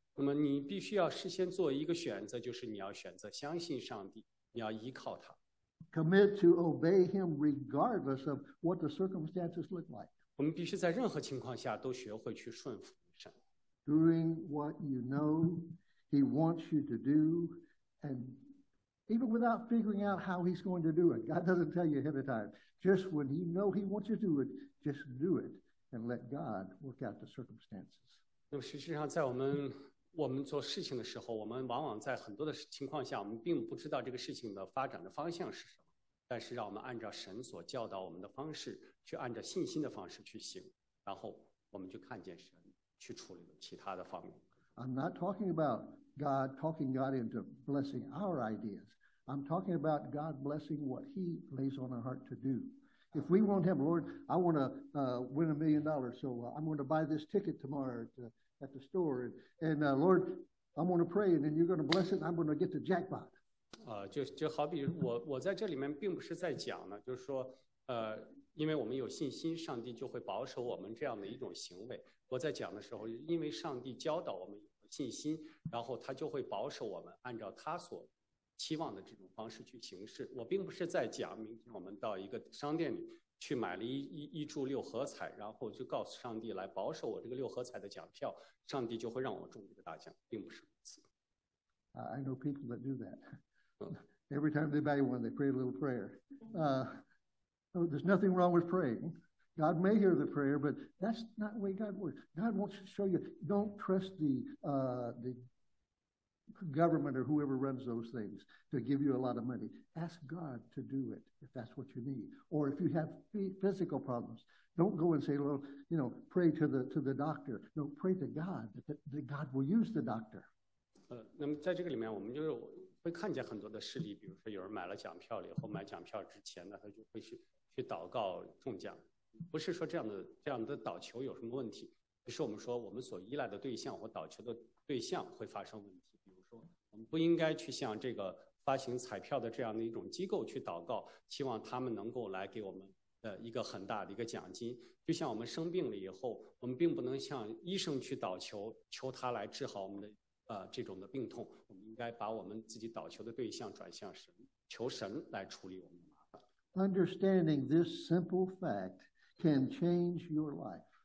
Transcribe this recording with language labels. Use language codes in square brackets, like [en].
[zh] 那么你必须要事先做一个选择，就是你要选择相信上帝，你要依靠他。 [en] Commit to obey him regardless of what the circumstances look like. [zh] 我们必须在任何情况下都学会去顺服神。 [en] Doing what you know he wants you to do, and even without figuring out how he's going to do it, God doesn't tell you ahead of time. Just when you know he wants you to do it, just do it and let God work out the circumstances. [zh] 那么实际上在我们做事情的时候，我们往往在很多的情况下，我们并不知道这个事情的发展的方向是什么。但是，让我们按照神所教导我们的方式，去按照信心的方式去行，然后我们就看见神去处理其他的方面。 I'm not talking about God talking God into blessing our ideas. I'm talking about God blessing what He lays on our heart to do. If we want Him, Lord, I want to win $1 million, so I'm going to buy this ticket tomorrow at the store, and Lord, I'm going to pray, and then you're going to bless it, and I'm going to get the jackpot. 就好比我在这里面并不是在讲呢，就是说，因为我们有信心，上帝就会保守我们这样的一种行为。我在讲的时候，因为上帝教导我们有信心，然后他就会保守我们按照他所期望的这种方式去行事。我并不是在讲明天我们到一个商店里去买了一注六合彩，然后就告诉上帝来保守我这个六合彩的奖票，上帝就会让我中这个大奖，并不是如此。 [en] I know people that do that. Every time they buy one, they pray a little prayer. There's nothing wrong with praying. God may hear the prayer, but that's not the way God works. God wants to show you, don't trust the government or whoever runs those things to give you a lot of money. Ask God to do it if that's what you need. Or if you have physical problems, don't go and say, well, you know, pray to the doctor. No, pray to God that God will use the doctor. [zh] 那么在这个里面我们就会看见很多的事例，比如说有人买了奖票了以后，买奖票之前呢，他就会去祷告中奖。不是说这样的祷求有什么问题，只是我们说我们所依赖的对象或祷求的对象会发生问题。我们不应该去向这个发行彩票的这样的一种机构去祷告，希望他们能够来给我们一个很大的一个奖金。就像我们生病了以后，我们并不能向医生去祷求，求他来治好我们的这种的病痛。我们应该把我们自己祷求的对象转向神，求神来处理我们的麻烦。 [en] Understanding this simple fact can change your life.